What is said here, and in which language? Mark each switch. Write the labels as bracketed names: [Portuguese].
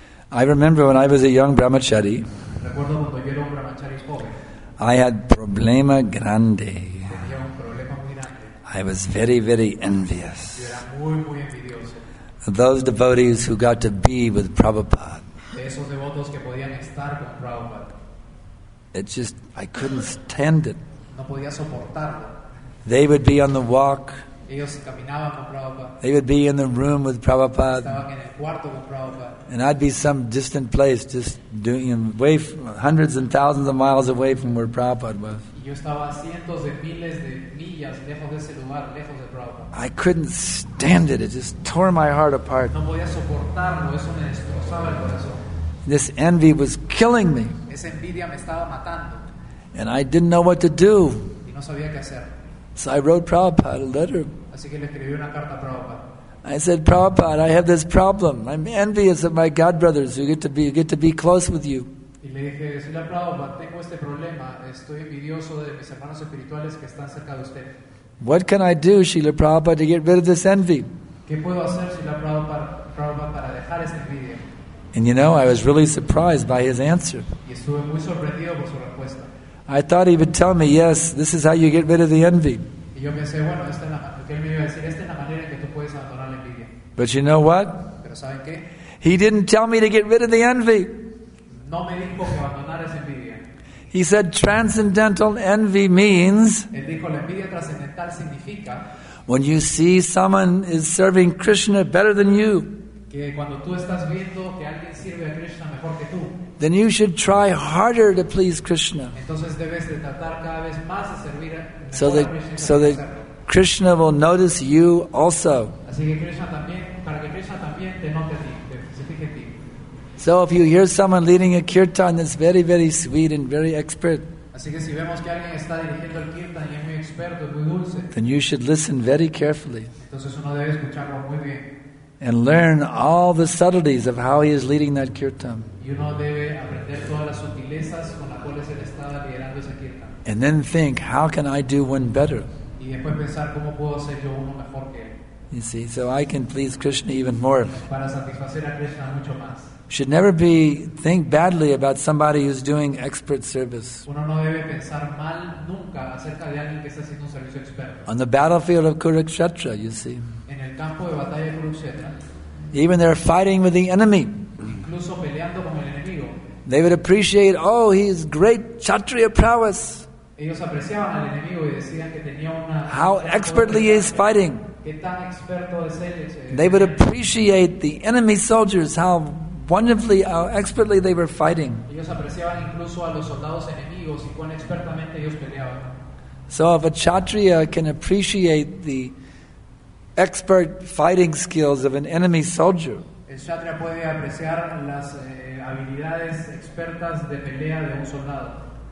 [English] I remember when I was a young brahmachari, [Spanish] recuerdo cuando yo era un brahmachari joven, [English] I had [Spanish] problema grande. Tenía un problema muy grande. [English] I was very, very envious. [Spanish] Yo era muy, muy envidioso. [English] Those devotees who got to be with Prabhupada, [Spanish] de esos devotos que podían estar con Prabhupada, [English] it just, I couldn't stand it. [Spanish] No podía soportarlo. [English] They would be on the walk. [Spanish] Ellos caminaban con Prabhupada. [English] They would be in the room with Prabhupada. [Spanish] Estaban en el cuarto con Prabhupada. [English] And I'd be some distant place, just doing away from, hundreds and thousands of miles away from where Prabhupada was. [Spanish] Yo estaba cientos de miles de millas lejos de ese lugar, lejos de Prabhupada. [English] I couldn't stand it. It just tore my heart apart. [Spanish] No podía soportarlo. Eso me destrozaba el corazón. [English] This envy was killing me. [Spanish] Esa envidia me estaba matando. [English] And I didn't know what to do. [Spanish] Y no sabía qué hacer. [English] So I wrote Prabhupada a letter. [Spanish] Así que le escribí una carta a Prabhupada. [English] I said, Prabhupada, I have this problem. I'm envious of my god brothers who get to be close with you. [Spanish] Y le dije, señor Prabhupada, tengo este problema. Estoy envidioso de mis hermanos espirituales que están cerca de usted. [English] What can I do, Srila Prabhupada, to get rid of this envy? [Spanish] ¿Qué puedo hacer, Srila Prabhupada, para dejar esa envidia? [English] And you know, I was really surprised by his answer. [Spanish] Y estuve muy sorprendido por su respuesta. [English] I thought he would tell me, yes, this is how you get rid of the envy. [Spanish] Y yo pensé, bueno, esta es la manera que él me iba a decir, esta es la manera en que tú puedes abandonar la envidia. [English] But you know what? [Spanish] Pero ¿saben qué? [English] He didn't tell me to get rid of the envy. [Spanish] No me dijo que abandonar esa envidia. [English] He said transcendental envy means, [Spanish] él dijo, la envidia trascendental significa, [English] when you see someone is serving Krishna better than you, [Spanish] que cuando tú estás viendo que alguien sirve a Krishna mejor que tú, [English] then you should try harder to please Krishna. [Spanish] Entonces debes de tratar cada vez más de servir a Krishna. [English] So that Krishna will notice you also. [Spanish] Así que Krishna también, para que Krishna también te note a ti, se fije en ti. [English] So if you hear someone leading a kirtan that's very, very sweet and very expert, [Spanish] así que si vemos que alguien está dirigiendo el kirtan y es muy experto, muy dulce, [English] then you should listen very carefully. [Spanish] Entonces uno debe escucharlo muy bien. [English] And learn all the subtleties of how he is leading that kirtan. [Spanish] Uno debe aprender todas las sutilezas con las cuales él estaba liderando ese kirtan. [English] And then think, how can I do one better? [Spanish] Y después pensar, ¿cómo puedo hacer yo uno mejor que él? [English] You see, so I can please Krishna even more. [Spanish] Para satisfacer a Krishna mucho más. [English] Should never be think badly about somebody who's doing expert service. [Spanish] Uno no debe pensar mal nunca acerca de alguien que está haciendo un servicio experto. [English] On the battlefield of Kurukshetra, you see. [Spanish] En el campo de batalla de Kurukshetra. [English] Even they're fighting with the enemy. [Spanish] Incluso peleando con el enemigo. [English] They would appreciate, oh, he's great Kshatriya prowess. [Spanish] Ellos apreciaban al enemigo y decían que tenía una. [English] How expertly he is fighting. [Spanish] Qué tan experto es él. [English] They would appreciate the enemy soldiers, how wonderfully, how expertly they were fighting. [Spanish] Ellos apreciaban incluso a los soldados enemigos y cuán expertamente ellos peleaban. [English] So if a Kshatriya can appreciate the expert fighting skills of an enemy soldier, [Spanish] el Kshatriya puede apreciar las habilidades expertas de pelea de un soldado,